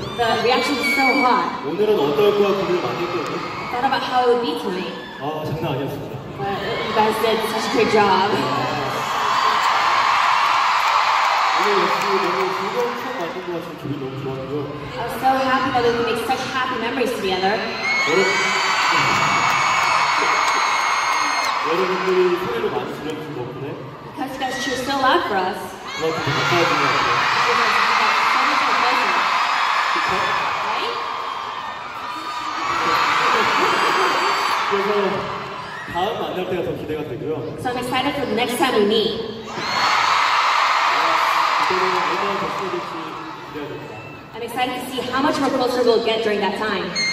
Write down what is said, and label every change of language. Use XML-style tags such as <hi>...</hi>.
<en>The reaction was so hot. I thought about how it would be tonight.</en> <ko>아, 장난 아니었습니다.</ko> <en>But you guys did such a great job.</en> <ko>오늘 역시 너무 즐거운 추억 만든 것 같은 기분이 너무 좋았고요.</ko> <en>I was so happy that we could make such happy memories together.</en> <ko>여러분들이 후회를 많이 드렸던 것 같은데.</ko> <en>Because you guys choose so loud for us.</en> <ko>너무 그래서 다음 만날 때가 더 기대가 되고요.</ko> <en>So I'm excited for the next time we meet.</en> <ko>그때는 얼마나 더 친해질지 기대가 됩니다.</ko> <en>I'm excited to see how much more closer we'll get during that time.</en>